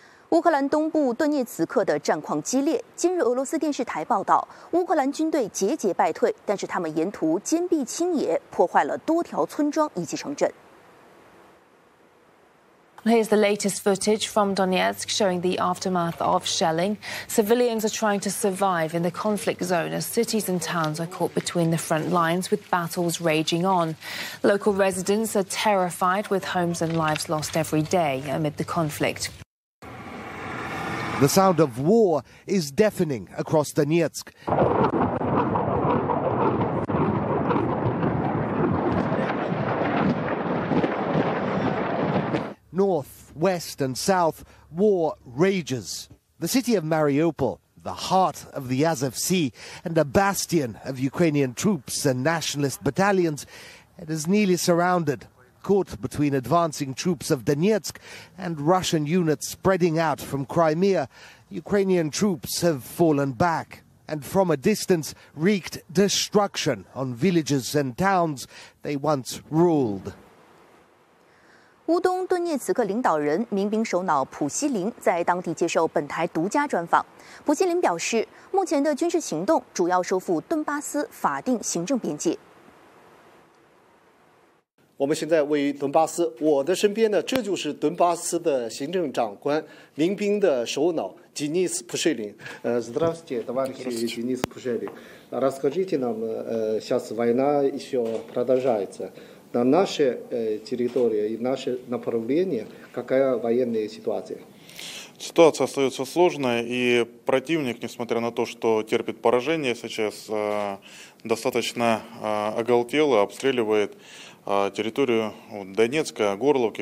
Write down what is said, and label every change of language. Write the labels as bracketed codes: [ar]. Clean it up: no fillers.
[zh] 乌克兰东部顿涅茨克的战况激烈，今日俄罗斯电视台报道，乌克兰军队节节败退，但是他们沿途坚壁清野，破坏了多条村庄以及城镇。 [en] Here's the latest footage from Donetsk showing the aftermath of shelling. Civilians are trying to survive in the conflict zone as cities and towns are caught between the front lines with battles raging on. Local residents are terrified with homes and lives lost every day amid the conflict. The sound of war is deafening across Donetsk. North, west and south, war rages. The city of Mariupol, the heart of the Azov Sea and a bastion of Ukrainian troops and nationalist battalions, it is nearly surrounded, caught between advancing troops of Donetsk and Russian units spreading out from Crimea. Ukrainian troops have fallen back and from a distance wreaked destruction on villages and towns they once ruled. [zh] 乌东顿涅茨克领导人、民兵首脑普希林在当地接受本台独家专访。普希林表示，目前的军事行动主要收复顿巴斯法定行政边界。我们现在位于顿巴斯，我的身边呢，这就是顿巴斯的行政长官、民兵的首脑吉尼斯普什林。 [ru] Здравствуйте, товарищи, ジニス普什林. Расскажите нам, сейчас война еще продолжается. На нашей территории и наше направление какая военная ситуация? Ситуация остается сложной, и противник, несмотря на то, что терпит поражение сейчас, достаточно оголтело обстреливает территорию Донецка, Горловки.